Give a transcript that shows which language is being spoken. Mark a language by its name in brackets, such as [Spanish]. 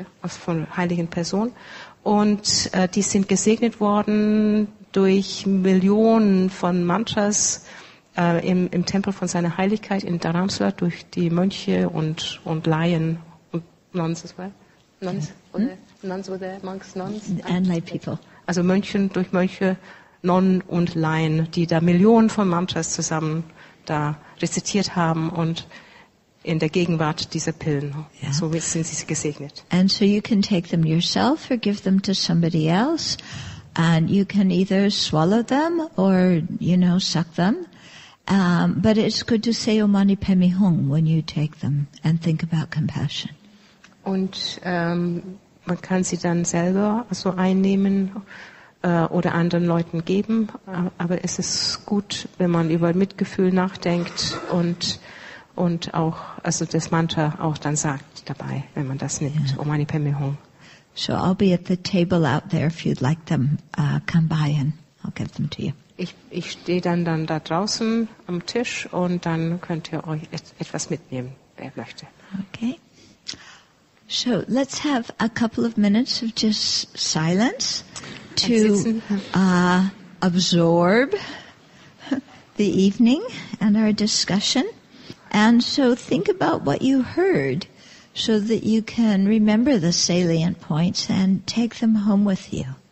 [German] aus von heiligen Personen und die sind gesegnet worden durch Millionen von Mantras im Tempel von seiner Heiligkeit in Dharamsala durch die Mönche und Laien und [English] Nuns as well. Nuns were there, monks, nuns and lay people. [German] Also Mönchen durch Mönche, Nonnen und Laien, die da Millionen von Mantras zusammen da rezitiert haben und in der Gegenwart dieser Pillen. Yeah. So sind sie gesegnet. [English] And so you can take them yourself or give them to somebody else. And you can either swallow them or, you know, suck them. But it's good to say Om Mani Padme Hum when you take them and think about compassion. [German] Und man kann sie dann selber so einnehmen oder anderen Leuten geben. Aber es ist gut, wenn man über Mitgefühl nachdenkt und auch also das Mantra auch dann sagt dabei, wenn man das nimmt. [Sanskrit] Om Mani Padme Hum. [English] So I'll be at the table out there if you'd like them, come by and I'll give them to you. [German] Ich stehe dann da draußen am Tisch und dann könnt ihr euch etwas mitnehmen, wer möchte. Okay. [English] So let's have a couple of minutes of just silence to absorb the evening and our discussion. And so think about what you heard so that you can remember the salient points and take them home with you.